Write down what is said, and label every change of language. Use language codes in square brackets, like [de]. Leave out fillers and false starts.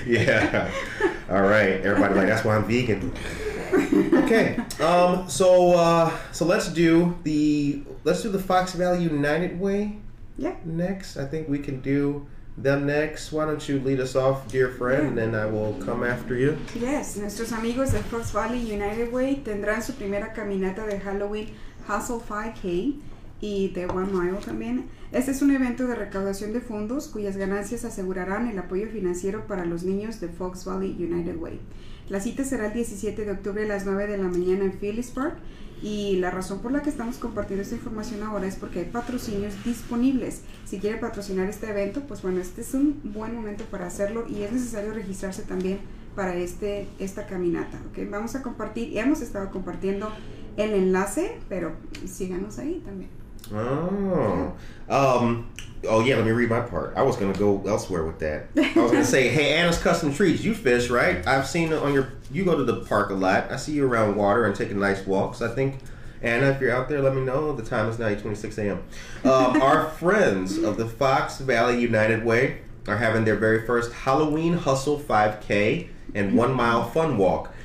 [en] Yeah. All right. Everybody like, that's why I'm vegan. Okay. So let's do the Fox Valley United Way. Yeah. Next, I think we can do them next. Why don't you lead us off, dear friend, yeah. And then I will come after you. [es] Yes, nuestros amigos de Fox Valley United Way tendrán su primera caminata de Halloween Hustle 5K y de 1 mile también. Este es un evento de recaudación de fondos cuyas ganancias asegurarán el apoyo financiero para los niños de Fox Valley United Way. La cita será el 17 de octubre a las 9 de la mañana en Phillips Park y la razón por la que estamos compartiendo esta información ahora es porque hay patrocinios disponibles. Si quiere patrocinar este evento, pues bueno, este es un buen momento para hacerlo y es necesario registrarse también para esta caminata, ¿okay? Vamos a compartir, y hemos estado compartiendo el enlace, pero síganos ahí también. [en] Oh. Oh, yeah, let me read my part. I was going to go elsewhere with that. I was going to say, hey, Anna's Custom Treats, you fish, right? I've seen on your... You go to the park a lot. I see you around water and taking nice walks. I think, Anna, if you're out there, let me know. The time is now 8:26 a.m. Our friends of the Fox Valley United Way are having their very first Halloween Hustle 5K and 1 mile fun walk.